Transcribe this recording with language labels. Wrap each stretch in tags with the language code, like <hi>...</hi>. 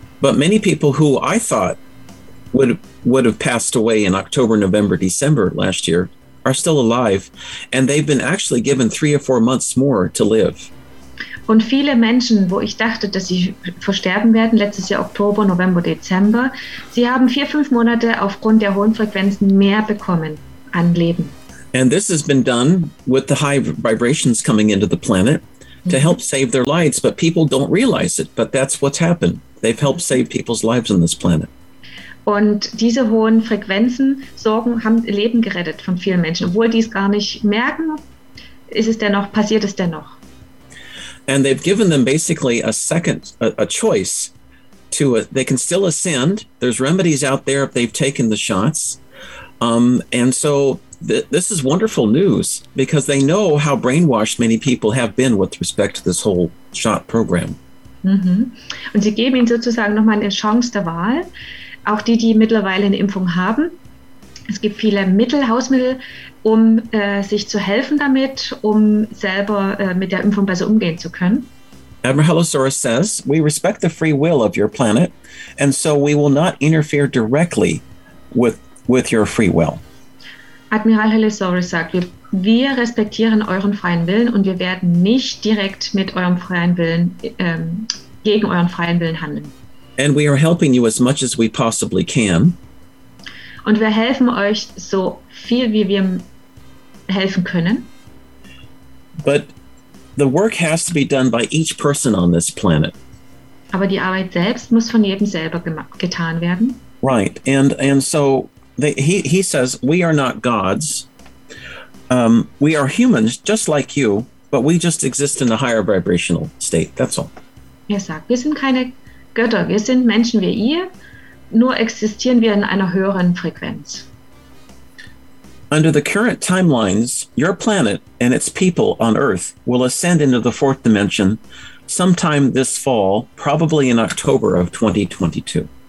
<en>But many people who I thought would have passed away in October, November, December last year are still alive, and they've been actually given 3 or 4 months more to live.</en> <de>Und viele Menschen, wo ich dachte, dass sie versterben werden, letztes Jahr Oktober, November, Dezember, sie haben 4, 5 Monate aufgrund der hohen Frequenzen mehr bekommen an Leben.</de> <en>And this has been done with the high vibrations coming into the planet to help save their lives, but people don't realize it, but that's what's happened. They've helped save people's lives on this planet.</en> <de>Und diese hohen Frequenzen sorgen, haben Leben gerettet von vielen Menschen. Obwohl die es gar nicht merken, ist es dennoch, passiert es dennoch.</de> <en>And they've given them basically a second, a choice to, they can still ascend. There's remedies out there if they've taken the shots. And so this is wonderful news because they know how brainwashed many people have been with respect to this whole shot program. Mm-hmm.</en> <de>Und sie geben ihnen sozusagen nochmal eine Chance der Wahl. Auch die, die mittlerweile eine Impfung haben. Es gibt viele Mittel, Hausmittel, um sich zu helfen damit, um selber mit der Impfung besser umgehen zu können.</de> <en>Admiral Hellosaurus says, we respect the free will of your planet and so we will not interfere directly with your free will.</en> <de>Admiral Hellosaurus sagt, wir respektieren euren freien Willen und wir werden nicht direkt mit eurem freien Willen, gegen euren freien Willen handeln.</de> <en>And we are helping you as much as we possibly can.</en> <de>Und wir helfen euch so viel, wie wir helfen können.</de> <en>But the work has to be done by each person on this planet.</en> <de>Aber die Arbeit selbst muss von jedem selber getan werden.</de> <en>Right. And so he says, we are not gods. We are humans, just like you, but we just exist in a higher vibrational state. That's all.</en> <de>Er sagt, wir sind keine Götter, wir sind Menschen wie ihr, nur existieren wir in einer höheren Frequenz.</de> <en>Under the current timelines, your planet and its people on Earth will ascend into the fourth dimension sometime this fall, probably in October of 2022.</en>